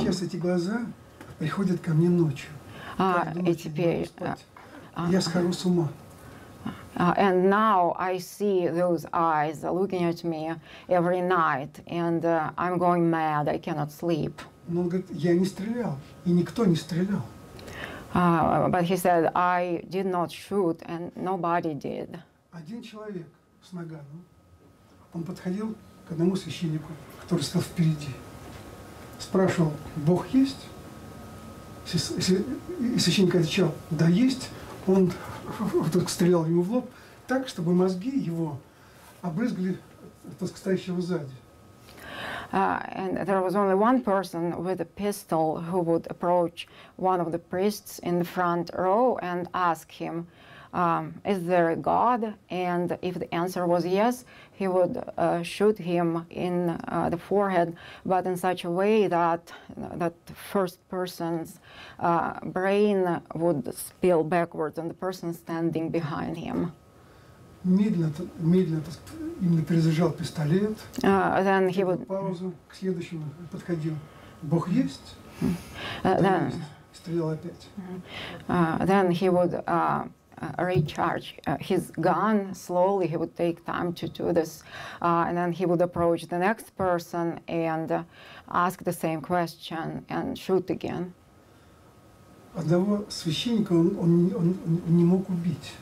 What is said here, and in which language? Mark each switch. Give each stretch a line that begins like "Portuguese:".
Russian: Сейчас эти глаза приходят ко мне ночью. Я схожу с ума.
English: And now I see those eyes looking at me every night, and I'm going mad. I cannot sleep.
Russian: Но он говорит, я не стрелял, и никто не стрелял.
English: But he said, I did not shoot, and nobody did.
Russian: Один человек с наганом, он подходил к одному священнику, который стоял впереди, спрашивал, Бог есть? И священник отвечал, да, есть. Он вдруг стрелял ему в лоб так, чтобы мозги его обрызгали тот, стоящего сзади.
English: And there was only one person with a pistol who would approach one of the priests in the front row and ask him, is there a God? And if the answer was yes, he would shoot him in the forehead, but in such a way that first person's brain would spill backwards on the person standing behind him.
Russian: Медленно именно перезаряжал пистолет.
English: Then he would...
Russian: Паузу, к следующему подходил. Бог есть?
English: Then...
Russian: Стрелял опять.
English: Then he would recharge his gun. Slowly he would take time to do this. And then he would approach the next person and ask the same question and shoot again.
Russian: Одного священника он не мог убить.